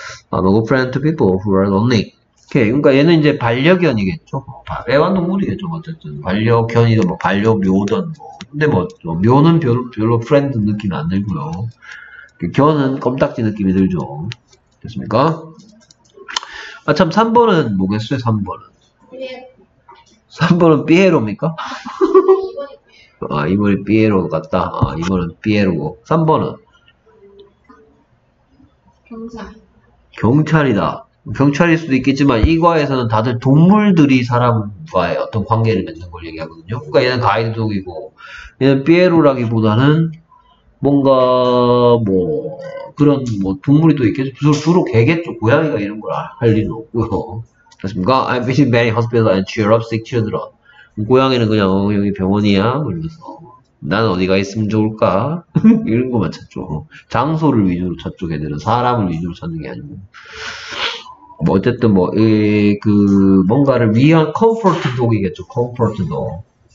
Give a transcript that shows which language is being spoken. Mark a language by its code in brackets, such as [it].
[en] I'm a good friend to people who are lonely. [ko] 오케이 그러니까 얘는 이제 반려견이겠죠. 애완동물이겠죠. 어쨌든 반려견이든 뭐 반려묘든 뭐. 근데 뭐 묘는 별로 프렌드 느낌 안 들고요. 견은 껌딱지 느낌이 들죠. 됐습니까? 아 참 3번은 뭐겠어요? 3번은 3번은 삐에로입니까? 아, 이번에 삐에로 같다. 아, 이번은 삐에로고. 3번은? 경찰이다. 경찰일 수도 있겠지만, 이 과에서는 다들 동물들이 사람과의 어떤 관계를 맺는 걸 얘기하거든요. 그러니까 얘는 가이드독이고, 얘는 삐에로라기보다는 뭔가, 뭐, 그런, 뭐, 동물이 또 있겠죠. 주로 개겠죠. 고양이가 이런 걸 할 일은 없고요. 그렇습니까? [en] I'm visiting many hospitals and cheer up sick children. [ko] 고양이는 그냥 어, 여기 병원이야 그러면서 난 어디가 있으면 좋을까 이런 것만 찾죠. 장소를 위주로 찾죠. 걔들은 사람을 위주로 찾는 게 아니고 뭐 어쨌든 뭐 에, 그 뭔가를 위한 컴포트 독이겠죠. 컴포트 독.